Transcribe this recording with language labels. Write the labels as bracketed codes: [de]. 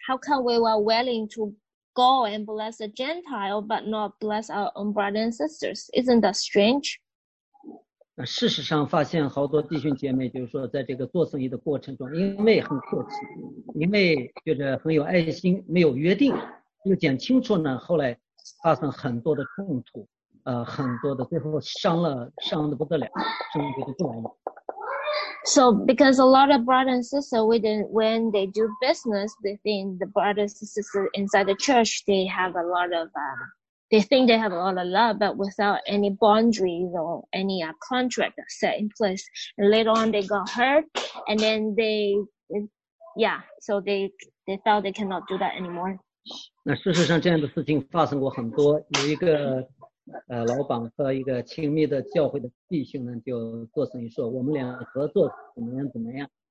[en] How come we were willing to go and bless the Gentile but not bless our own brothers and sisters? Isn't that strange? [zh] 事实上发现好多弟兄姐妹就是说在这个做生意的过程中，因为很客气，因为觉得很有爱心，没有约定又讲清楚呢，后来发生很多的冲突，很多的最后伤得不得了，生意就不完了。 [en] So because a lot of brothers and sisters, when they do business within the brothers and sisters inside the church, they have a lot of, they think they have a lot of love, but without any boundaries or any contract set in place. And later on, they got hurt, and then they felt they cannot do that anymore. [zh] 那事实上这样的事情发生过很多，有一个老板和一个亲密的教会的弟兄呢，就做生意说我们俩合作怎么样。